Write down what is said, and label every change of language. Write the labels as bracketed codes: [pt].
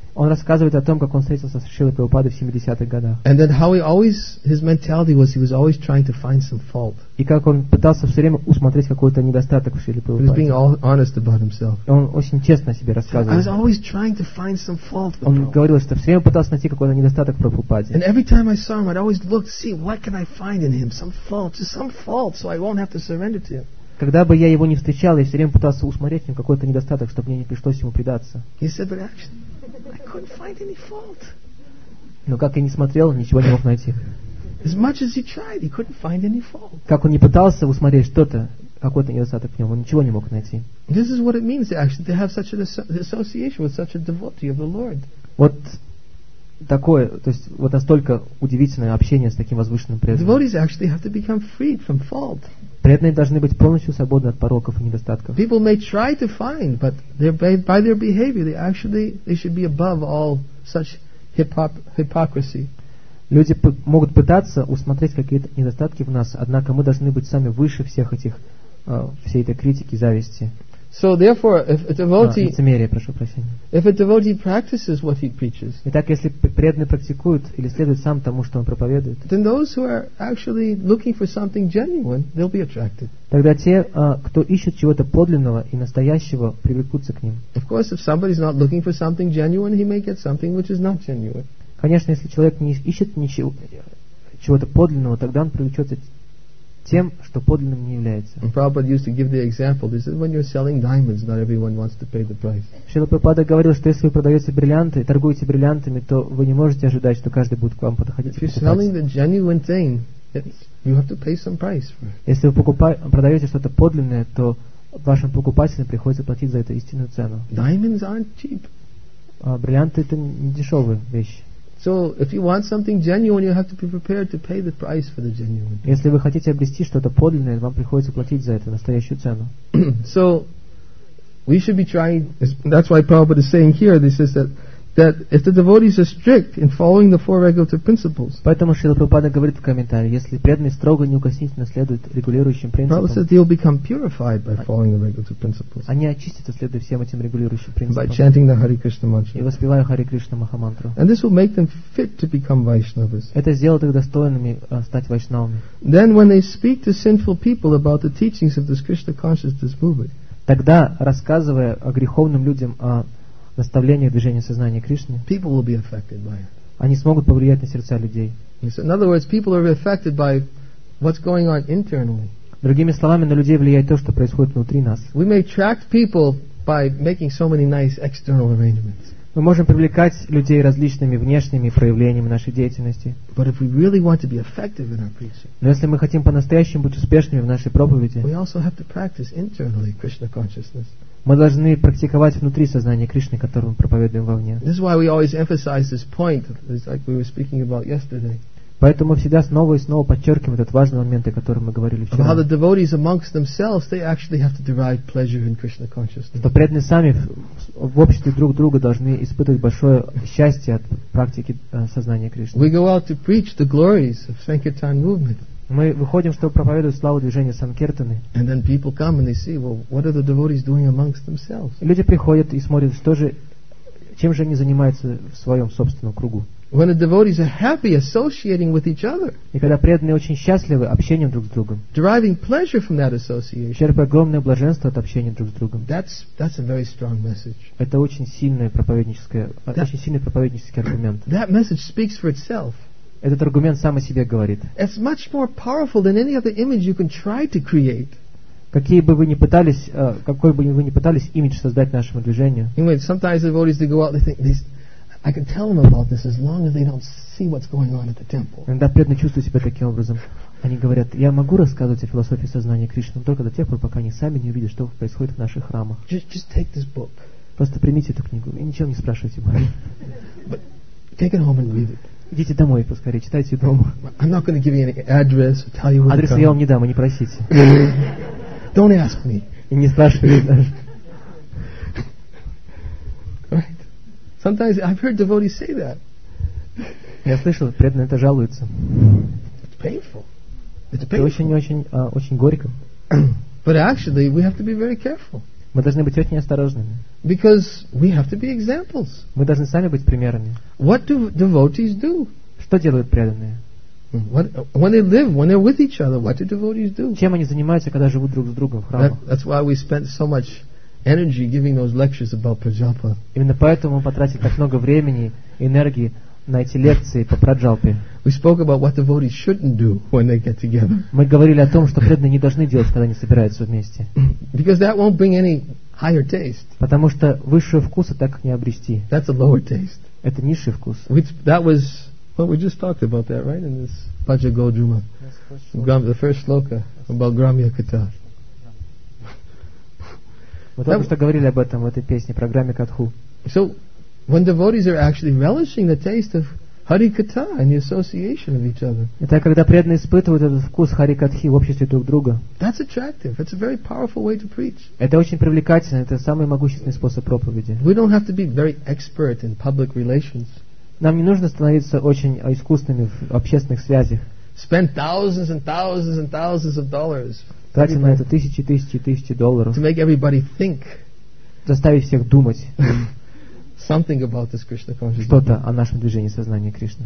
[ru] Он рассказывает о том, как он встретился с Шрилой Прабхупадой в 70-х годах. [en] And then how he always, his mentality was, he was always trying to find some fault. [ru] И как он пытался все время усмотреть какой-то недостаток в Шриле Прабхупаде. [en] He was being honest about himself. [ru] Он очень честно о себе рассказывал. [en] I was always trying to find some fault. [ru] Он говорил, что все время пытался найти какой-то недостаток в Прабхупаде. [en] And every time I saw him, I'd always look to see what can I find in him, some fault, so I won't have to surrender to him. [ru] Когда бы я его не встречал, я все время пытался усмотреть в нем какой-то недостаток, чтобы мне не пришлось ему предаться. [en] He said, but actually, I couldn't find any fault. [ru] Но как я не смотрел, ничего не мог найти. [en] As much as he tried, he couldn't find any fault. [ru] Как он не пытался усмотреть что-то, какой-то недостаток в нем, он ничего не мог найти. [en] This is what it means actually to have such an association with such a devotee of the Lord. [ru] Вот такое, то есть вот настолько удивительное общение с таким возвышенным преданным. [en] Devotees actually have to become freed from fault. [ru] Преданные должны быть полностью свободны от пороков и недостатков. [en] People may try to find, but by their behavior, they should be above all such hypocrisy. [ru] Люди могут пытаться усмотреть какие-то недостатки в нас, однако мы должны быть сами выше всех этих всей этой критики, зависти. [en] So therefore, if a devotee, [ru] лицемерие, прошу прощения. [en] If a devotee practices what he preaches, [ru] итак, если преданный практикует или следует сам тому, что он проповедует, [en] then those who are actually looking for something genuine, they'll be attracted. [ru] Тогда те, кто ищет чего-то подлинного и настоящего, привлекутся к ним. [en] Of course, if somebody's not looking for something genuine, he may get something which is not genuine. [ru] Конечно, если человек не ищет чего-то подлинного, тогда он привлечется тем, что подлинным не является. [en] And Prabhupada used to give the example. He said, when you're selling diamonds, not everyone wants to pay the price. [ru] Шрила Прабхупада говорил, что если вы продаете бриллианты, торгуете бриллиантами, то вы не можете ожидать, что каждый будет к вам подходить. [en] If you're selling the genuine thing, you have to pay some price. [ru] Если вы продаете что-то подлинное, то вашим покупателям приходится платить за это истинную цену. [en] Diamonds aren't cheap. [ru] Бриллианты — это не дешевая вещь. [en] So if you want something genuine, you have to be prepared to pay the price for the genuine. [ru] Если вы хотите обрести что-то подлинное, вам приходится платить за это настоящую цену. [en] So we should be trying. That's why Prabhupada is saying here. He says that if the devotees are strict in following the four regulative principles. [ru] Поэтому Шрила Прабхупада говорит в комментарии, если преданный строго неукоснительно следует регулирующим принципам. [en] Prabhupada says they'll become purified by following the regulative principles. [ru] Они очистятся, следуя всем этим регулирующим принципам. [en] By chanting the Hare Krishna mantra. [ru] И воспевая Харе Кришна Махамантру. [en] And this will make them fit to become Vaishnavas. [ru] Это сделает их достойными стать вайшнавами. [en] Then when they speak to sinful people about the teachings of this Krishna consciousness movement. [ru] Тогда, рассказывая о греховным людям о наставление движения сознания Кришны, [en] people will be affected by it. [ru] Они смогут повлиять на сердца людей. [en] So, in other words, people are affected by what's going on internally. [ru] Другими словами, на людей влияет то, что происходит внутри нас. [en] We may attract people by making so many nice external arrangements. [ru] Мы можем привлекать людей различными внешними проявлениями нашей деятельности. [en] But if we really want to be effective in our preaching, [ru] но если мы хотим по-настоящему быть успешными в нашей проповеди, [en] we also have to practice internally Krishna consciousness. [ru] Мы должны практиковать внутри сознания Кришны, которое мы проповедуем вовне. [en] This is why we always emphasize this point, like we were speaking about yesterday. [ru] Поэтому всегда снова и снова подчеркиваем этот важный момент, о котором мы говорили вчера. [en] How the devotees amongst themselves, they actually have to derive pleasure in Krishna consciousness. [ru] Что преданные сами в обществе друг друга должны испытывать большое счастье от практики сознания Кришны. [en] We go out to preach the glories of Sankirtan movement. [ru] Мы выходим, чтобы проповедовать славу движения Санкиртаны. [en] And then people come and they see, well, what are the devotees doing amongst themselves? [ru] Люди приходят и смотрят, что же, чем же они занимаются в своем собственном кругу. [en] When the devotees are happy associating with each other. [ru] И когда преданные очень счастливы общением друг с другом. [en] Deriving pleasure from that association. [ru] Черпая огромное блаженство от общения друг с другом. [en] That's a very strong message. [ru] Это очень сильный проповеднический аргумент. [en] That message speaks for itself. [ru] Этот аргумент сам о себе говорит. [en] It's much more powerful than any other image you can try to create. [ru] Какие бы вы ни пытались, какой бы вы ни пытались имидж создать нашему движению. [en] Anyway, sometimes devotees they go out, they think these, I can tell them about this as long as they don't see what's going on at the temple. [ru] Иногда преданные чувствуют себя таким образом. Они говорят, я могу рассказывать о философии сознания Кришны, но только до тех пор, пока они сами не увидят, что происходит в наших храмах. [en] Just take this book. [ru] Просто примите эту книгу и ничего не спрашивайте больше. Идите домой поскорее, читайте дома. [en] I'm not going to give you any address or tell you where. [ru] Адрес я вам не дам, и не просите. [en] Don't ask me. [ru] И не спрашивайте даже. [en] Right. Sometimes I've heard devotees say that. [ru] Я слышал, преданные это жалуются. [en] It's painful. [ru] Это очень-очень горько. [en] But actually, we have to be very careful. [ru] Мы должны быть очень осторожными. [en] Because we have to be examples. [ru] Мы должны сами быть примерами. [en] What do devotees do? [ru] Что делают преданные? [en] What, when they live, when they're with each other, what do devotees do? [ru] Чем они занимаются, когда живут друг с другом в храмах? [en] That's why we spent so much energy giving those lectures about Prajapa. [ru] Именно поэтому мы потратили так много времени, энергии на эти лекции по праджалпе. [en] We spoke about what devotees shouldn't do when they get together. [ru] Мы говорили о том, что преданные не должны делать, когда они собираются вместе. [en] Because that won't bring any higher taste. [ru] Потому что высшего вкуса так не обрести. [en] That's a lower taste. [ru] Это низший вкус. [en] That was what we just talked about, that right in this Paja Godruma, the first sloka about Gramya Katha. [ru] Мы только что говорили об этом в этой песне про Грамья Катху. [en] So when devotees are actually relishing the taste of Hari Katha and the association of each other. [ru] Это когда преданные испытывают этот вкус Хари Катхи в обществе друг друга. [en] That's attractive. It's a very powerful way to preach. [ru] Это очень привлекательно. Это самый могущественный способ проповеди. [en] We don't have to be very expert in public relations. [ru] Нам не нужно становиться очень искусными в общественных связях. [en] Spend thousands and thousands and thousands of dollars. [ru] Тратим на это тысячи, тысячи, тысячи долларов. [en] To make everybody think. [ru] Заставить всех думать. [en] Something about this Krishna consciousness. [ru] Что-то о нашем движении сознания Кришны.